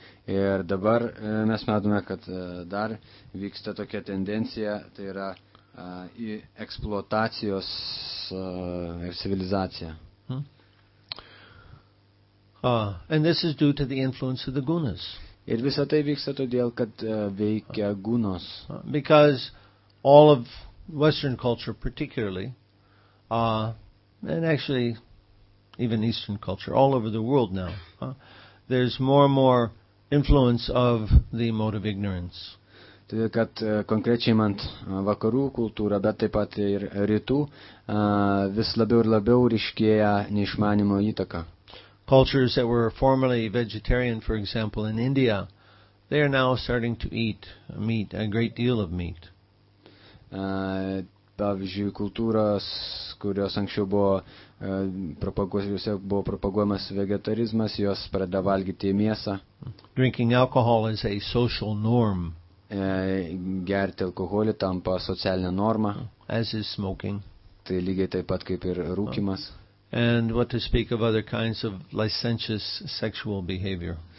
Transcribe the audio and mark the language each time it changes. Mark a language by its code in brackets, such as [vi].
[lt] Ir dabar mes matome, kad dar vyksta tokia tendencija, tai yra į eksploatacijos ir civilizaciją. [en] And this is due to the influence of the gunas. [lt] Ir visa tai vyksta todėl, kad veikia gunos. [en] Because all of Western culture particularly, and actually even Eastern culture, all over the world now, there's more and more influence of the mode of ignorance. [lt] Tai kad konkrečiai imant vakarų kultūrą, bet taip pat ir rytų, vis labiau ir labiau ryškėja neišmanimo įtaka. [en] Cultures that were formerly vegetarian, for example, in India, they are now starting to eat meat, a great deal of meat. [lt] Pavyzdžiui, kultūros, kurios anksčiau buvo propaguojamas vegetarizmas, jos pradeda valgyti mėsą. [en] Drinking alcohol is a social norm. [lt] Gerti alkoholį tampa socialinė norma. [en] As is smoking. [lt] Tai lygiai taip pat kaip ir rūkimas. [en] And what to speak of other kinds of licentious sexual behavior.